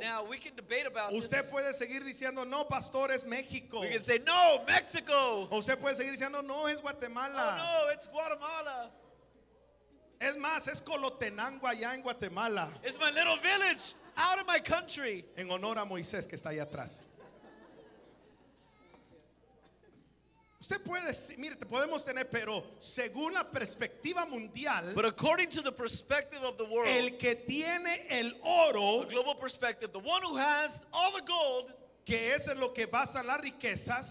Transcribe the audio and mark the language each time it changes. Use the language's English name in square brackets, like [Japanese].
[English] Now we can debate about [Spanish] usted [English] this. [Spanish] Puede seguir diciendo, no, pastor, es México. [English] We can say, no, Mexico. [Spanish] Usted puede seguir diciendo, no, es Guatemala. [English] Oh, no, it's Guatemala. [Spanish] Es más, es Colotenango allá en Guatemala. [English] It's my little village out of my country. [Spanish] En honor a Moisés que está ahí atrás. Usted puede decir, mire, podemos tener, pero según la perspectiva mundial, [English] but according to the perspective of the world, [Spanish] el que tiene el oro, [English] the global perspective, the one who has all the gold, [Spanish] que eso es lo que basan las riquezas,